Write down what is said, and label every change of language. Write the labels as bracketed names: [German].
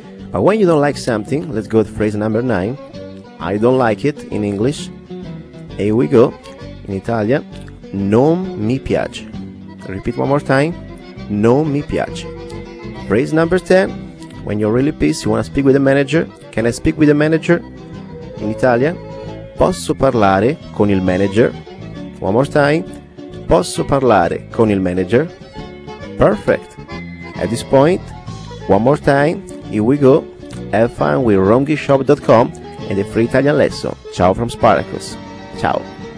[English] But when you don't like something, let's go to phrase number nine. I don't like it in English. Here we go. In Italian, [Italian] non mi piace. [English] Repeat one more time. [Italian] Non mi piace. [English] Phrase number 10. When you're really pissed, you want to speak with the manager. Can I speak with the manager? In Italian, [Italian] posso parlare con il manager? [English] One more time. [Italian] Posso parlare con il manager? [English] Perfect. At this point, one more time. Here we go. Have fun with romgiftshop.com and the free Italian lesson. Ciao from Spartacus. Ciao.